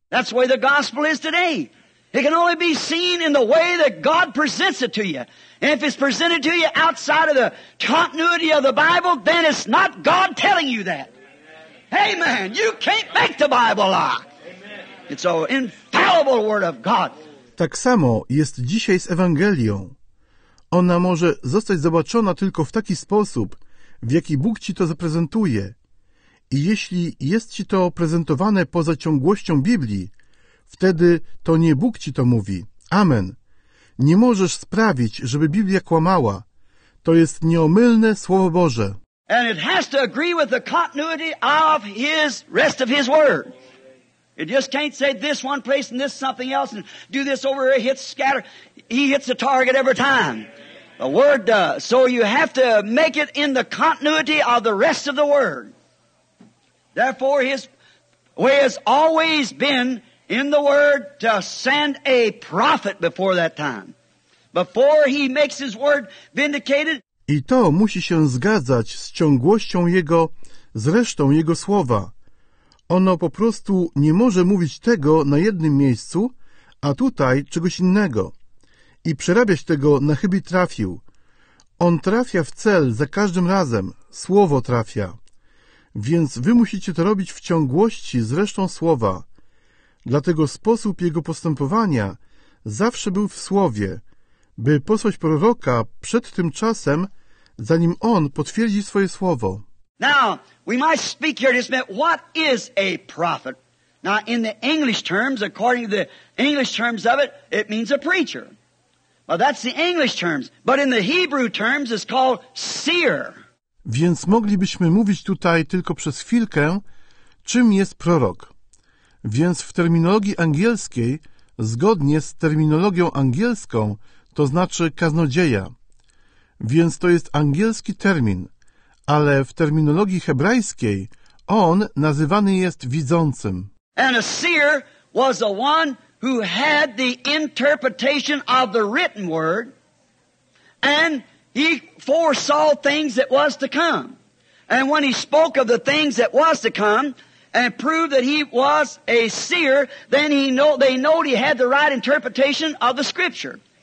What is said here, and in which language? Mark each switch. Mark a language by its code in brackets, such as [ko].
[en] That's the way the gospel is today. It can only be seen in the way that God presents it to you. And if it's presented to you outside of the continuity of the Bible, then it's not God telling you that. Amen. You can't make the Bible lie. It's an infallible word of God. [pl] Tak samo jest dzisiaj z Ewangelią. Ona może zostać zobaczona tylko w taki sposób, w jaki Bóg ci to zaprezentuje. I jeśli jest ci to prezentowane poza ciągłością Biblii, wtedy to nie Bóg ci to mówi. Amen. Nie możesz sprawić, żeby Biblia kłamała. To jest nieomylne Słowo Boże. [en] And it has to agree with the continuity of his rest of his word. It just can't say this one place and this something else and do this over here, hit scatter. He hits the target every time. The word does. So you have to make it in the continuity of the rest of the word. Therefore his way has always been in the word to send a prophet before that time, before he makes his word vindicated. [pl] I to musi się zgadzać z ciągłością jego, z resztą jego słowa. Ono po prostu nie może mówić tego na jednym miejscu, a tutaj czegoś innego. I przerabiać tego na chybi trafił. On trafia w cel za każdym razem. Słowo trafia. Więc wy musicie to robić w ciągłości z resztą słowa. Dlatego sposób jego postępowania zawsze był w słowie, by posłać proroka przed tym czasem, zanim on potwierdzi swoje słowo. [en] Now, we might speak here just a minute. What is a prophet? Now, in the English terms, according to the English terms of it, it means a preacher. Well, that's the English terms. But in the Hebrew terms, it's called seer. [pl] Więc moglibyśmy mówić tutaj tylko przez chwilkę, czym jest prorok. Więc w terminologii angielskiej, zgodnie z terminologią angielską, to znaczy kaznodzieja. Więc to jest angielski termin, ale w terminologii hebrajskiej on nazywany jest widzącym. [en] And a seer was the one who had the interpretation of the written word, and he foresaw things that was to come. And when he spoke of the things that was to come and proved that he was a seer, then they knowed he had the right interpretation of the scripture.